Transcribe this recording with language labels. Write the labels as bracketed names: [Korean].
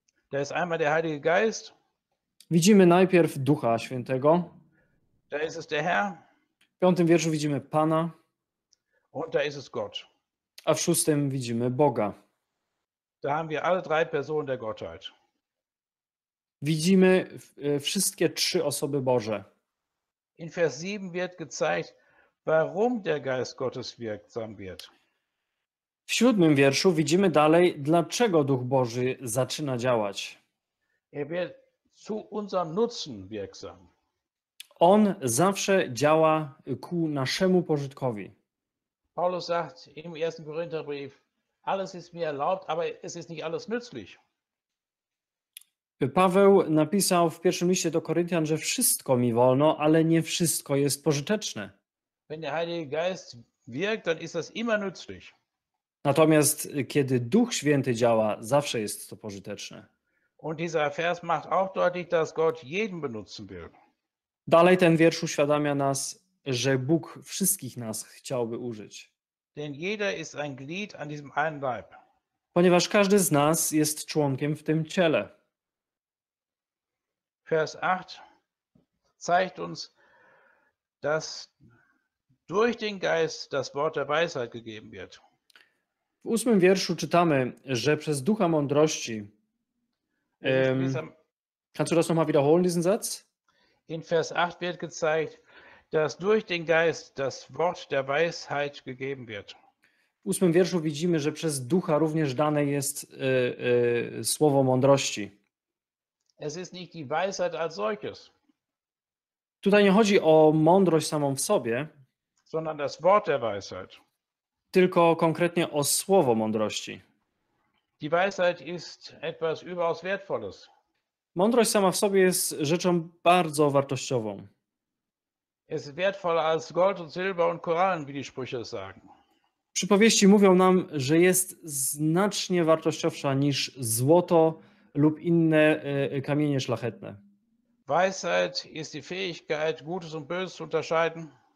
[German] Da ist einmal der Heilige Geist. [Polish] Widzimy najpierw Ducha Świętego. [German] Da ist es der Herr. [Polish] W piątym wierszu widzimy Pana. [German] Und da ist es Gott. [Polish] A w szóstym widzimy Boga. [German] Da haben wir alle drei Personen der Gottheit. [Polish] Widzimy wszystkie trzy osoby Boże. [German] In Vers 7 wird gezeigt, warum der Geist Gottes wirksam wird. [Polish] W siódmym wierszu widzimy dalej, dlaczego Duch Boży zaczyna działać. [German] Er wird zu unserem Nutzen wirksam. [Polish] On zawsze działa ku naszemu pożytkowi. [German] Paulus sagt im ersten Korintherbrief: Alles ist mir erlaubt, aber es ist nicht alles nützlich. [Polish] Paweł napisał w pierwszym liście do Koryntian, że wszystko mi wolno, ale nie wszystko jest pożyteczne. [German] Wenn der Heilige Geist wirkt, dann ist das immer nützlich. [Polish] Natomiast kiedy Duch Święty działa, zawsze jest to pożyteczne. [German] Und dieser Vers macht auch deutlich, dass Gott jeden benutzen will. [Polish] Dalej ten wiersz uświadamia nas, że Bóg wszystkich nas chciałby użyć. [German] Denn jeder ist ein Glied an diesem einen Leib. [Polish] Ponieważ każdy z nas jest członkiem w tym ciele. [German] Vers 8 zeigt uns, dass durch den Geist das Wort der Weisheit gegeben wird. [Polish] W ósmym wierszu czytamy, że przez Ducha Mądrości. [German] Kannst du das nochmal wiederholen, diesen Satz? In Vers 8 wird gezeigt, dass durch den Geist das Wort der Weisheit gegeben wird. [Polish] W ósmym wierszu widzimy, że przez Ducha również dane jest słowo mądrości. [German] Es ist nicht die Weisheit als solches. [Polish] Tutaj nie chodzi o mądrość samą w sobie, [German] sondern das Wort der Weisheit. [Polish] Tylko konkretnie o słowo mądrości. [German] Die Weisheit ist etwas überaus wertvolles. [Polish] Mądrość sama w sobie jest rzeczą bardzo wartościową. [German] Es ist wertvoller als Gold und Silber und Korallen, wie die Sprüche sagen. [Polish] Przypowieści mówią nam, że jest znacznie wartościowsza niż złoto lub inne kamienie szlachetne. [German] Weisheit ist die Fähigkeit, Gutes und Böses zu unterscheiden.